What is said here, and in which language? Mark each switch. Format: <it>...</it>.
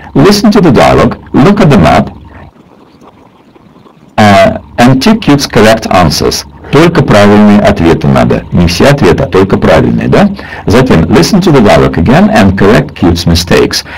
<en>Listen to the dialogue, look at the map, and tick cute's correct answers.</en> <ru>Только правильные ответы надо. Не все ответы, а только правильные, да? Затем,</ru> <en>listen to the dialogue again and correct cute's mistakes.</en>